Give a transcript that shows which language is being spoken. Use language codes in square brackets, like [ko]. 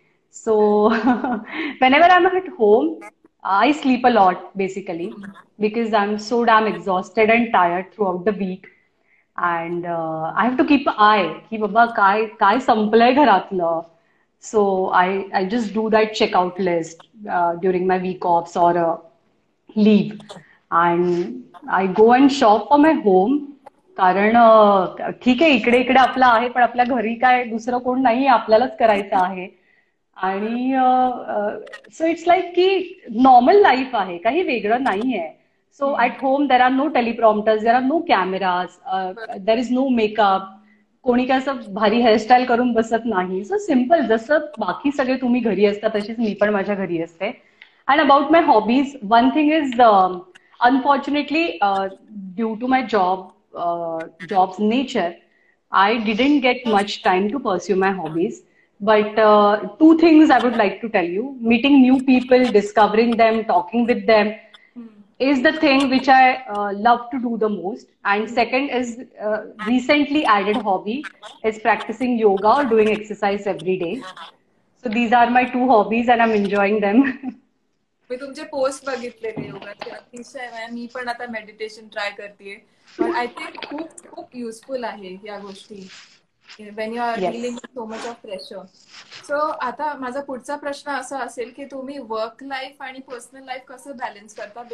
[en] So whenever I'm at home, I sleep a lot basically because I'm so damn exhausted and tired throughout the week. And I have to keep an eye ki [mr] baba kai samplay gharatla. [en] So I just do that checkout list during my week offs or leave. And I go and shop for my home. [mr] कारण ठीक आहे इकडे इकडे आपलं आहे पण आपल्या घरी काय दुसरं कोण नाही, आपल्यालाच करायचं आहे. आणि सो इट्स लाईक की नॉर्मल लाईफ आहे, काही वेगळं नाही आहे. [en] so at home there are no teleprompters, there are no cameras, there is no makeup, [mr] कोणी काय असं भारी हेअरस्टाईल करून बसत नाही. सो सिम्पल, जसं बाकी सगळे तुम्ही घरी असता तशीच मी पण माझ्या घरी असते. [en] And about my hobbies, one thing is unfortunately due to my jobs nature I didn't get much time to pursue my hobbies. But two things I would like to tell you, meeting new people, discovering them, talking with them is the thing which I love to do the most. And second is recently added hobby is practicing yoga or doing exercise every day. So these are my two hobbies and I'm enjoying them. [mr] मी तुमचे post बघितले योगा चे, अतिशय. मी पण आता meditation try करते पण I think खूप खूप युजफुल आहे या गोष्टी [en] when you are feeling so much of pressure. [mr] So आता माझा पुढचा प्रश्न असा असेल की तुम्ही वर्क लाईफ आणि पर्सनल लाईफ कसं बॅलन्स करता?